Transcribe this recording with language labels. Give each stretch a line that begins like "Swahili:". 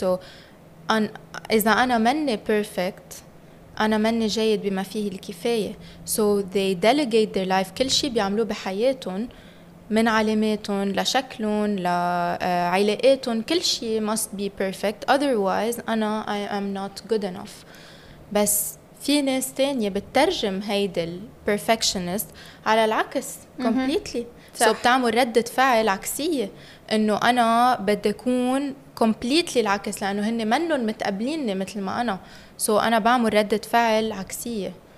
Arabic: So إذا أنا مني perfect أنا مني جيد بما فيه الكفاية.
English: So they delegate their life
Arabic: كل شيء بيعملوه بحياتهم من علاماتهم لشكلهم لعلاقاتهم كل شيء
English: must be perfect otherwise أنا I am not good enough.
Arabic: بس في ناس تانية بتترجم هيدا perfectionist على العكس completely. So بتعمل ردة فعل عكسية انه انا بدي اكون كومبليتلي العكس لانه هن منهم متقبليني مثل ما انا. سو so انا بعمل ردة فعل عكسية.